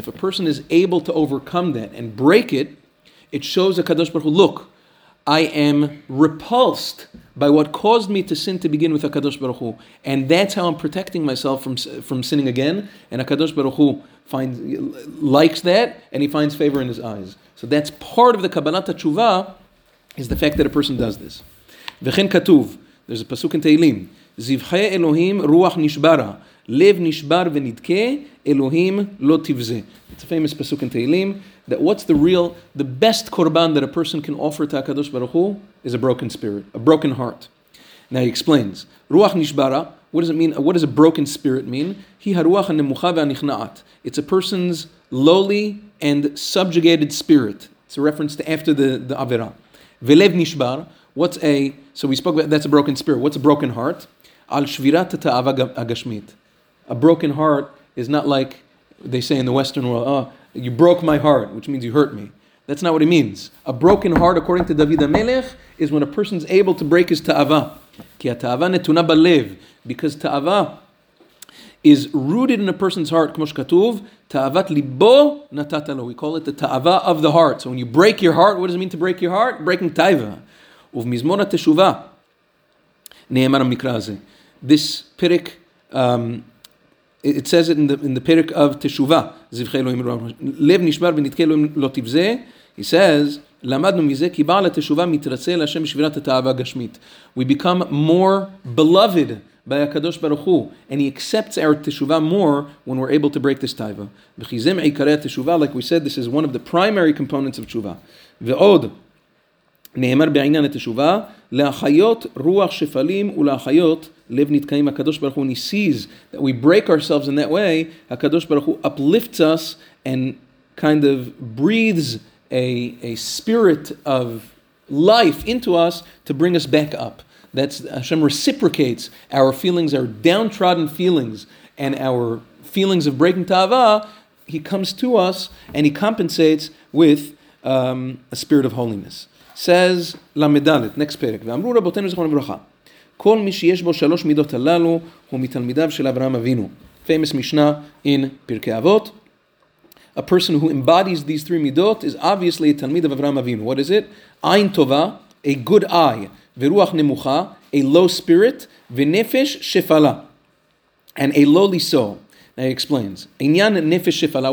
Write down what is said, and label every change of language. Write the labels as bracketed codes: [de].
[en] And if a person is able to overcome that and break it, it shows HaKadosh Baruch Hu, look, I am repulsed by what caused me to sin to begin with, HaKadosh Baruch Hu. And that's how I'm protecting myself from sinning again. And HaKadosh Baruch Hu likes that, and he finds favor in his eyes. So that's part of the Kabbalat HaTshuva, is the fact that a person does this. [he] וכן כתוב, [en] there's a pasuk in Tehillim, [he] זבחי אלוהים רוח נשברה, לב נשבר ונדקה, אלוהים לא תבזה. [en] It's a famous pasuk in Tehillim, that what's the best korban that a person can offer to HaKadosh Baruch Hu is a broken spirit, a broken heart. Now he explains, [he] רוח נשברה, [en] what does it mean, what does a broken spirit mean? [he] היא הרוח הנמוכה והנכנעת. [en] It's a person's lowly and subjugated spirit. It's a reference to after the avera. [he] ולב נשבר, [en] that's a broken spirit. What's a broken heart? [he] Al shvirat ta'ava agashmit. [en] A broken heart is not like they say in the Western world, oh, you broke my heart, which means you hurt me. That's not what it means. A broken heart, according to David HaMelech, is when a person's able to break his ta'ava. [he] Ki ha-ta'ava netuna ba-lev. [en] Because ta'ava is rooted in a person's heart, [he] כמו שכתוב, ta'avat libo natat alo. [en] We call it the ta'ava of the heart. So when you break your heart, what does it mean to break your heart? Breaking ta'ava. [he] ובמזמור התשובה נאמר המקרא הזה. This פרק, [en] it says it in the [he] פרק of תשובה, זבחי אלוהים רוח נשברה, לב נשבר ונדקה אלוהים לא תבזה. [en] He says, [he] למדנו מזה כי בעל התשובה מתרצה להשם בשבירת התאווה הגשמית. [en] We become more beloved by הקדוש ברוך הוא, and he accepts our תשובה more when we're able to break this תאווה. [he] וכי זה מעיקרי התשובה, [en] like we said, this is one of the primary components of תשובה. [he] ועוד, נאמר בעניין התשובה, להחיות רוח שפלים ולהחיות לב נתקעים. [en] הקדוש ברוך הוא, when he sees that we break ourselves in that way, הקדוש ברוך הוא uplifts us and kind of breathes a spirit of life into us to bring us back up. That's Hashem reciprocates our feelings, our downtrodden feelings, and our feelings of breaking ta'ava. He comes to us and he compensates with a spirit of holiness. [he] Says למדלת, [en] next [he] פרק, ואמרו רבותינו זכרונם לברכה, כל מי שיש בו שלוש מידות הללו, הוא מתלמידיו של אברהם אבינו. [en] Famous Mishnah in פרקי אבות. A person who embodies these three מידות is obviously a תלמיד of אברהם אבינו. What is it? [he] עין טובה, [en] a good eye, [he] ורוח נמוכה, [en] a low spirit, [he] ונפש שפלה. [en] And a lowly soul. Now he explains. [he] Inyan nefesh shefala.